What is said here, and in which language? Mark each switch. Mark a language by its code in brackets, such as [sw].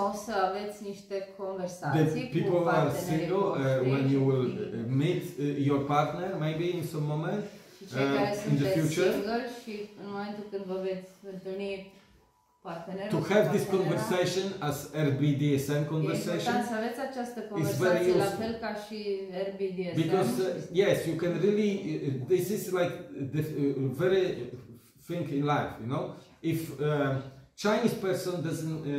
[ro] O să aveți niște conversații cu partenerii voștri. [en] People are single when you will meet your partner, maybe in some moment, in the future. [ro] Și în momentul când vă veți întâlni partenerul. [en] To have this conversation as RBDSM conversation. [ro] E important să aveți această conversație la fel ca și RBDSM. [en] Because, yes, you can really, this is like the very thing in life, you know? If a Chinese person doesn't